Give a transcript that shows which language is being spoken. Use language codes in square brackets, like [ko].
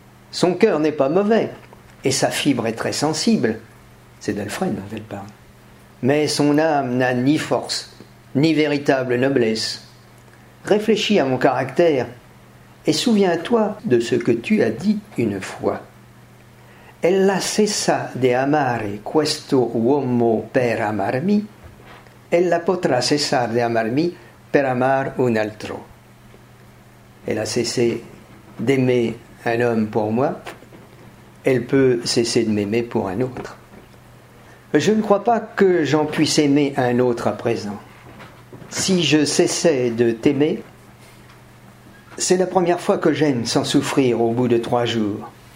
[fr] Son cœur n'est pas mauvais et sa fibre est très sensible. C'est d'Alfred dont elle parle. Mais son âme n'a ni force, ni véritable noblesse. Réfléchis à mon caractère et souviens-toi de ce que tu as dit une fois. [it] Ella cessa de amare questo uomo per amarmi, ella potrà cessar de amarmi per amar un altro. [fr] Elle a cessé d'aimer un homme pour moi, elle peut cesser de m'aimer pour un autre. Je ne crois pas que j'en puisse aimer un autre à présent. Si je cessais de t'aimer, c'est la première fois que j'aime sans souffrir au bout de 3 jours.